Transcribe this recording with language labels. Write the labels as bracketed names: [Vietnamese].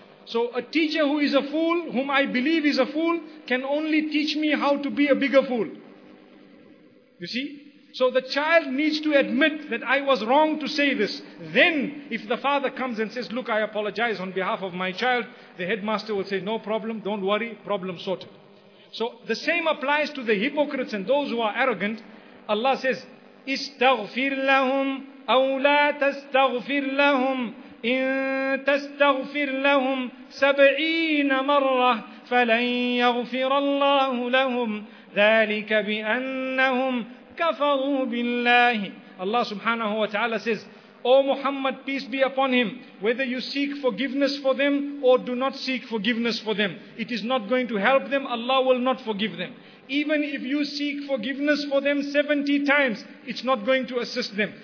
[English] So a teacher who is a fool, whom I believe is a fool, can only teach me how to be a bigger fool. You see? So the child needs to admit that I was wrong to say this. Then, if the father comes and says, look, I apologize on behalf of my child, the headmaster will say, no problem, don't worry, problem sorted. So the same applies to the hypocrites and those who are arrogant. Allah says, [Arabic] استغفر لهم أو لا تستغفر لهم إن تستغفر لهم 70 مرة فلن يغفر الله لهم ذلك بأنهم كفروا بالله. [English] Allah subhanahu wa ta'ala says, O Muhammad, peace be upon him, whether you seek forgiveness for them or do not seek forgiveness for them, it is not going to help them. Allah will not forgive them. Even if you seek forgiveness for them 70 times, it's not going to assist them.